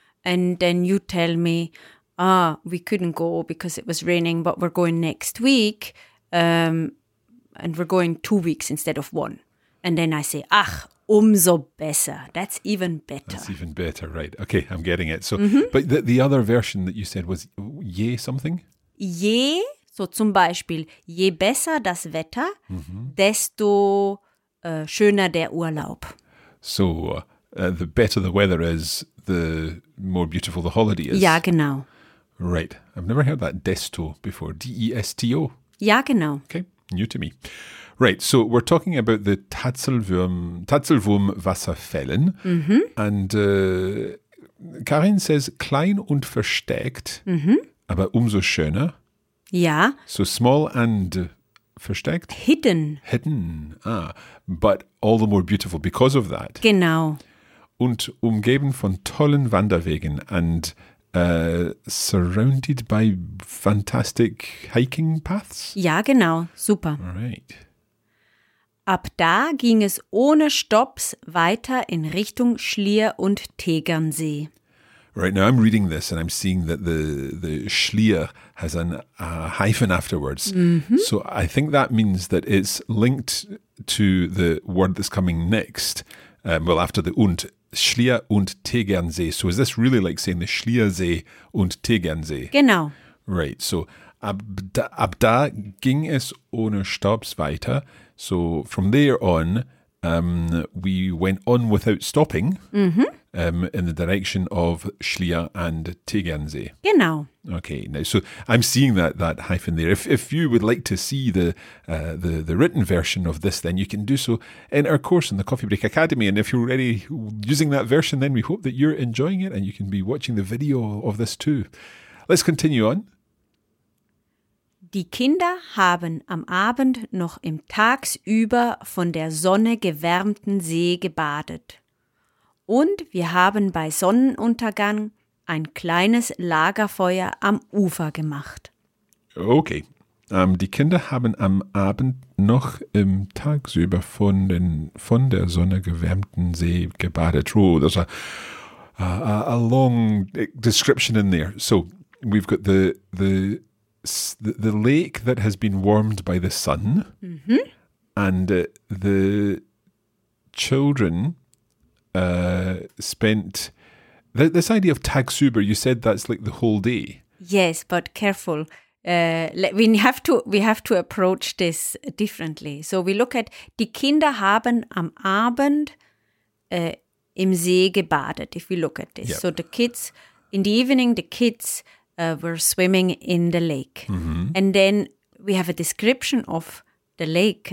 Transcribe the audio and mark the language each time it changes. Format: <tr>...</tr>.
<en>And then you tell me, we couldn't go because it was raining, but we're going next week and we're going 2 weeks instead of one. And then I say,</en> <de>ach, umso besser.</de> <en>That's even better. That's even better, right. Okay, I'm getting it. So, But the other version that you said was je something?</en> <de>Je, so zum Beispiel, je besser das Wetter, desto schöner der Urlaub.</de> <en>So, the better the weather is, the more beautiful the holiday is.</en> <de>Ja, genau.</de> <en>Right. I've never heard that desto before. D-E-S-T-O.</en> <de>Ja, genau.</de> <en>Okay. New to me. Right. So we're talking about the Tatzelwurm Wasserfällen. Mm-hmm. And Karin says,</en> <de>klein und versteckt, aber umso schöner. Ja.</de> <en>So small and versteckt. Hidden. Hidden. Ah. But all the more beautiful because of that.</en> <de>Genau. Und umgeben von tollen Wanderwegen</de> <en>and surrounded by fantastic hiking paths?</en> <de>Ja, genau. Super.</de> <en>All right.</en> <de>Ab da ging es ohne Stopps weiter in Richtung Schlier und Tegernsee.</de> <en>Right, now I'm reading this and I'm seeing that the Schlier has a hyphen afterwards. Mm-hmm. So I think that means that it's linked to the word that's coming next. Well, after the und, Schlier und Tegernsee. So is this really like saying the Schliersee und Tegernsee?</en> <de>Genau.</de> <en>Right.</en> <de>So ab da ging es ohne Stopps weiter.</de> <en>So from there on, we went on without stopping in the direction of Schlier and Tegernsee.</en> <de>Genau.</de> <en>Okay. Now, so I'm seeing that hyphen there. If you would like to see the written version of this, then you can do so in our course in the Coffee Break Academy. And if you're already using that version, then we hope that you're enjoying it and you can be watching the video of this too. Let's continue on.</en> <de>Die Kinder haben am Abend noch im tagsüber von der Sonne gewärmten See gebadet. Und wir haben bei Sonnenuntergang ein kleines Lagerfeuer am Ufer gemacht. Okay, die Kinder haben am Abend noch im tagsüber von der Sonne gewärmten See gebadet.</de> <en>Oh, there's a long description in there. So, we've got the lake that has been warmed by the sun, and the children spent this idea of tagsüber. You said that's like the whole day. Yes, but careful. We have to approach this differently. So we look at</en> <de>die Kinder haben am Abend im See gebadet.</de> <en>If we look at this, yep. So the kids in the evening, the kids were swimming in the lake. Mm-hmm. And then we have a description of the lake.</en>